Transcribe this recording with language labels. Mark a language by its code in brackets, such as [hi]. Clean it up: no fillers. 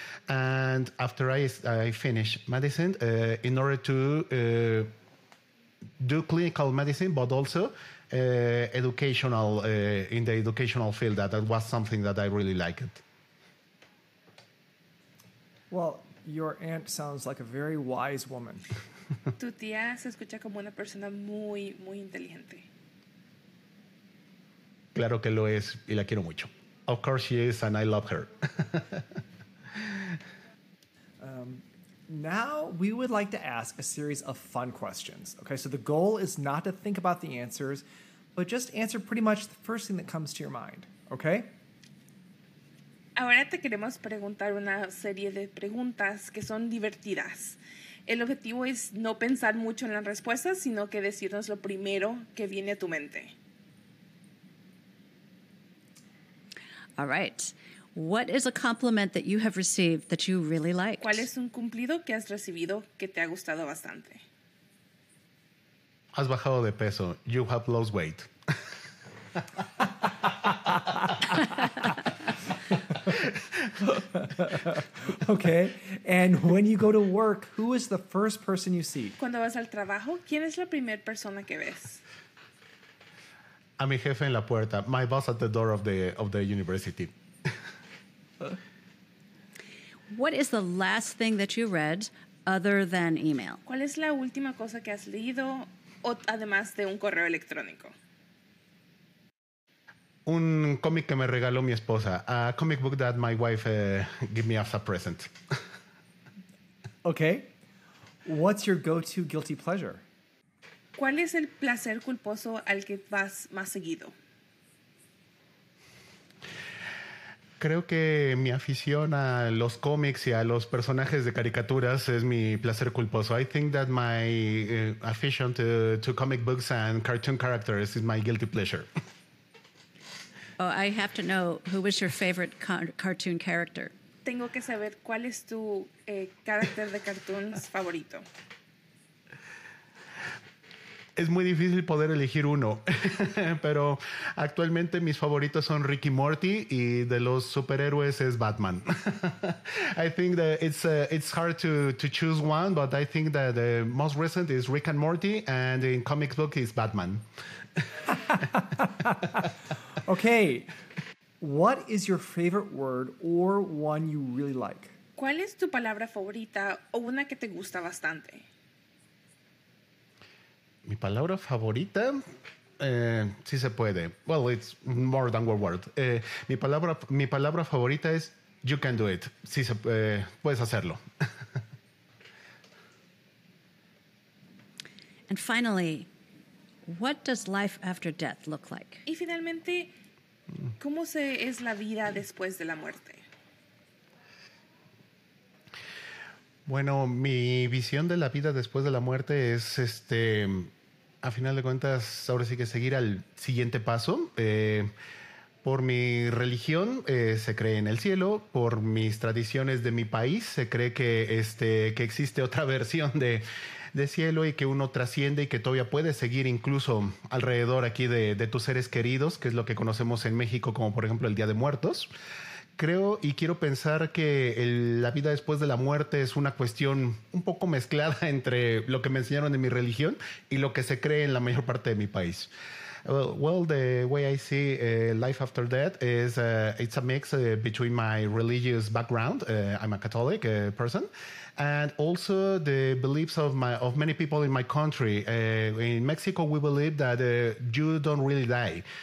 [en] And after I finished medicine, in order to do clinical medicine, but also educational, in the educational field. That was something that I really liked. Well, your aunt sounds like a very wise woman. [es] Tu tía se escucha como una persona muy, muy inteligente. Claro que lo es, y la quiero mucho. [en] Of course she is, and I love her. Now we would like to ask a series of fun questions. Okay, so the goal is not to think about the answers, but just answer pretty much the first thing that comes to your mind. Okay? [es] Ahora te queremos preguntar una serie de preguntas que son divertidas. El objetivo es no pensar mucho en las respuestas, sino que decirnos lo primero que viene a tu mente. [en] All right. What is a compliment that you have received that you really liked? [es] ¿Cuál es un cumplido que has recibido que te ha gustado bastante? Has bajado de peso. [en] You have lost weight. Okay. And when you go to work, who is the first person you see? [es] Cuando vas al trabajo, ¿quién es la primera persona que ves? A mi jefe en la puerta. [en] My boss at the door of the university. What is the last thing that you read other than email? [es] ¿Cuál es la última cosa que has leído o además de un correo electrónico? Un cómic que me regaló mi esposa. [en] A comic book that my wife gave me as a present. Okay. What's your go-to guilty pleasure? [es] ¿Cuál es el placer culposo al que vas más seguido? Creo que mi afición a los cómics y a los personajes de caricaturas es mi placer culposo. [en] I think that my affection to comic books and cartoon characters is my guilty pleasure. Oh, I have to know, who was your favorite cartoon character? [es] Tengo que saber cuál es tu carácter de cartoons favorito. Es muy difícil poder elegir uno, pero actualmente mis favoritos son Rick y Morty y de los superhéroes es Batman. [en] I think that it's hard to choose one, but I think that the most recent is Rick and Morty, and in comic book is Batman. Okay, what is your favorite word or one you really like? [es] ¿Cuál es tu palabra favorita o una que te gusta bastante? Mi palabra favorita, sí se puede. [en] Well, it's more than one word. [es] Mi palabra favorita es [en] you can do it. [es] Sí se puedes hacerlo. [en] And finally, what does life after death look like? [es] Y finalmente, ¿cómo se es la vida después de la muerte? Bueno, mi visión de la vida después de la muerte es a final de cuentas, ahora sí que seguir al siguiente paso. Por mi religión, se cree en el cielo. Por mis tradiciones de mi país, se cree que que existe otra versión de cielo y que uno trasciende y que todavía puede seguir incluso alrededor aquí de tus seres queridos, que es lo que conocemos en México como, por ejemplo, el Día de Muertos. Creo y quiero pensar que la vida después de la muerte es una cuestión un poco mezclada entre lo que me enseñaron en mi religión y lo que se cree en la mayor parte de mi país. [en] Well, the way I see life after death is it's a mix between my religious background. I'm a Catholic person. And also the beliefs of many people in my country. In Mexico, we believe that you don't really die.